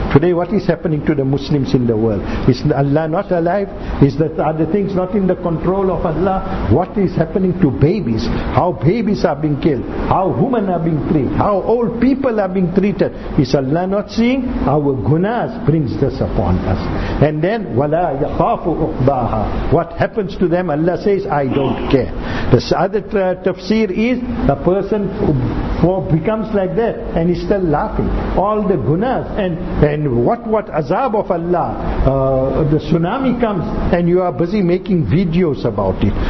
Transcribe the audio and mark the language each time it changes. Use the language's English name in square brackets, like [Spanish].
[English] Today what is happening to the Muslims in the world? Is Allah not alive? Is that, are the things not in the control of Allah? What is happening to babies? How babies are being killed? How women are being treated, how old people are being treated. Is Allah not seeing? Our gunas brings this upon us. And then, [Arabic] وَلَا يَخَافُ أُقْبَاهَا. [English] What happens to them? Allah says, I don't care. The other tafsir is, a person who becomes like that, and is still laughing. All the gunas, and what azab of Allah. The tsunami comes, and you are busy making videos about it.